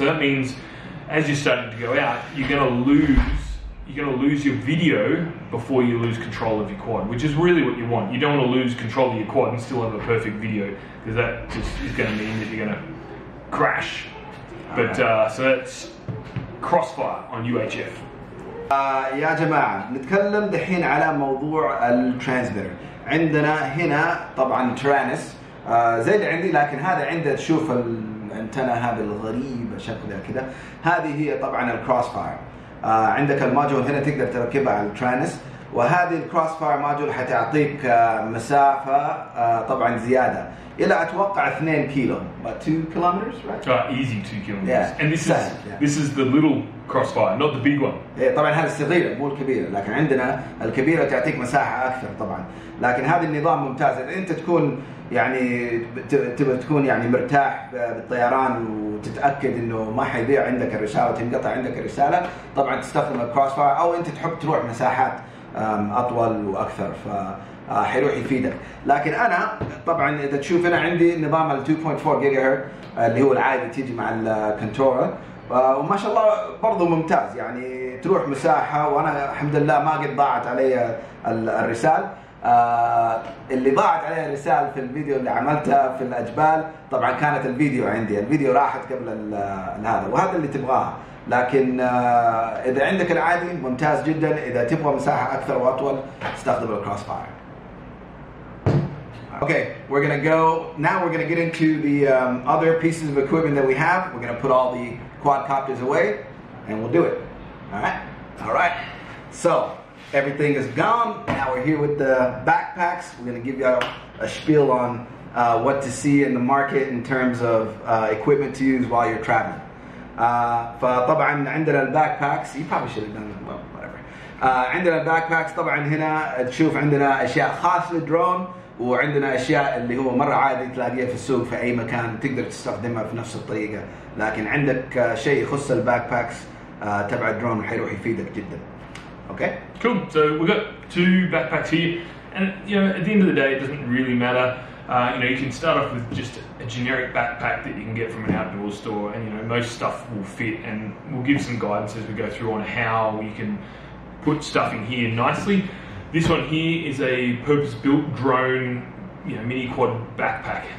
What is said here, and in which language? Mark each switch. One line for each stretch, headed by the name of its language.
English: So that means as you're starting to go out, you're going to lose your video before you lose control of your quad, which is really what you want. You don't want to lose control of your quad and still have a perfect video, because that just is going to mean that you're going to crash. But so that's crossfire on UHF.
Arabic: يا جماعة نتكلم دحين على موضوع الترانسميتر عندنا هنا طبعا ترانس زي اللي عندي لكن هذا عنده تشوف الانتنة هذه الغريبة شكلها كده هذه هي طبعا الكروسفاير عندك الماجول هنا تقدر تركبها على الترانس وهذه الكروسفاير ماجول حتعطيك مسافة طبعا زيادة إلى أتوقع 2 كيلو
English: about 2 kilometers right? Easy 2 kilometers yeah. And this is, this is the little crossfire, not the big one.
Arabic: إيه طبعا هذه الصغيرة مو الكبيرة لكن عندنا الكبيرة تعطيك مساحة أكثر طبعا لكن هذا النظام ممتاز إذا أنت تكون يعني تبغى تكون يعني مرتاح بالطيران وتتأكد إنه ما حيضيع عندك الرسالة تنقطع عندك الرسالة طبعا تستخدم الكروسفاير أو أنت تحب تروح مساحات أطول وأكثر ف حيروح يفيدك لكن أنا طبعا إذا تشوف أنا عندي نظام الـ 2.4 جيجاهرتز اللي هو العادي تيجي مع الكنترولر وما شاء الله برضو ممتاز يعني تروح مساحة وأنا الحمد لله ما قد ضاعت علي الرسال اللي ضاعت علي الرسال في الفيديو اللي عملتها في الأجبال طبعا كانت الفيديو عندي الفيديو راحت قبل هذا وهذا اللي تبغاه لكن إذا عندك العادي ممتاز جدا إذا تبغى مساحة أكثر وأطول استخدم الكروس فاير
English: Okay, we're going to go, now we're going to get into the other pieces of equipment that we have. We're going to put all the quadcopters away, and we'll do it. All right. So, everything is gone. Now we're here with the backpacks. We're going to give you a spiel on what to see in the market in terms of equipment to use while you're traveling.
Arabic: فطبعا عندنا backpacks.
English: You probably should have done that, well, whatever.
Arabic: عندنا backpacks, طبعا هنا تشوف عندنا اشياء خاصة للدرون. وعندنا أشياء اللي هو مرة عادي تلاقيها في السوق في أي مكان تقدر تستخدمها في نفس الطريقة لكن عندك شيء يخص الباكباكس تبع الدرون حيروح يفيدك جدا okay
English: cool so we've got two backpacks here and you know at the end of the day it doesn't really matter you know you can start off with just a generic backpack that you can get from an outdoor store and you know most stuff will fit and we'll give some guidance as we go through on how you can put stuff in here nicely This one here is a purpose-built drone, you know, mini quad backpack.